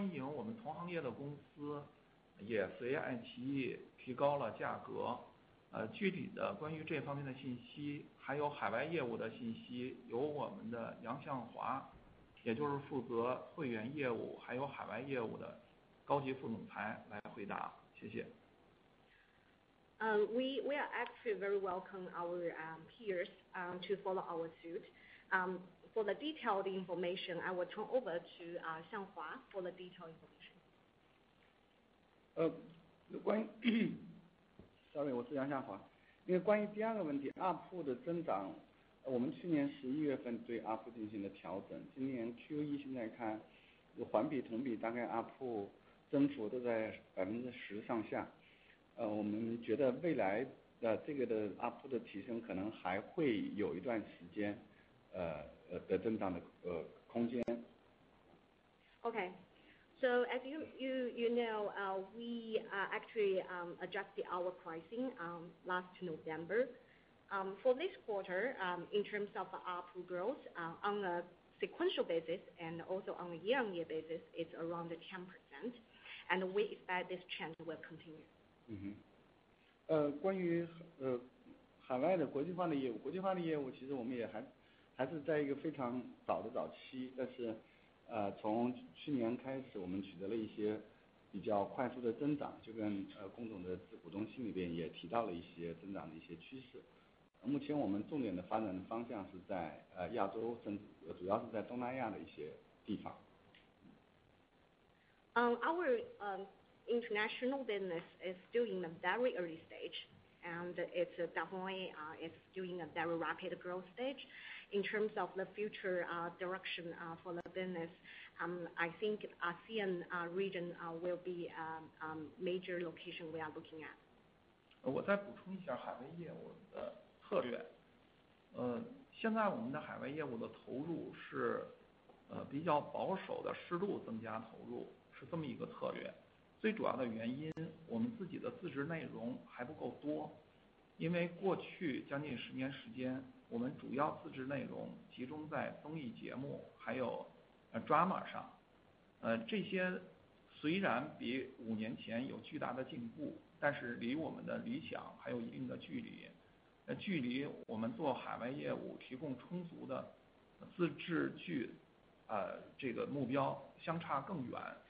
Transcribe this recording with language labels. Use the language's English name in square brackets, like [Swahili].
[Chinese] 我们非常欢迎我们同行业的公司 也随爱奇艺提高了价格，具体的关于这方面的信息，还有海外业务的信息，由我们的杨向华，也就是负责会员业务还有海外业务的高级副总裁来回答，谢谢。 [English] We are actually very welcome our peers to follow our suit. For the detailed information, I will turn over to 向华 for the detailed information. [Chinese] 关于，sorry， 我是杨夏华。那个关于第二个问题 ，ARP 的增长，我们去年十一月份对 ARP 进行了调整，今年 Q1 现在看，环比同比大概 ARP 增幅都在10%上下。我们觉得未来的这个的 ARP 的提升可能还会有一段时间，的增长的空间。 [English] Okay. So as you know, we actually adjusted our pricing last November. For this quarter, in terms of ARPU growth, on a sequential basis and also on a year-on-year basis, it's around 10%. And we expect this trend will continue. [Chinese] 关于海外的国际化的业务其实我们也还是在一个非常早的早期，但是从去年开始我们取得了一些比较快速的增长，就跟龚总的股东信里边也提到了一些增长的一些趋势。目前我们重点的发展的方向是在亚洲，主要是在东南亚的一些地方。 [English] Our international business is still in a very early stage, and it's definitely it's still in a very rapid growth stage. In terms of the future direction for the business, I think ASEAN region will be a major location we are looking at. [Chinese] 我再补充一下海外业务的策略。现在我们的海外业务的投入是比较保守的，适度增加投入，是这么一个策略。最主要的原因，我们自己的自制内容还不够多，因为过去将近十年时间我们主要自制内容集中在综艺节目还有 drama 上，这些虽然比五年前有巨大的进步，但是离我们的理想还有一定的距离，距离我们做海外业务提供充足的自制剧这个目标相差更远。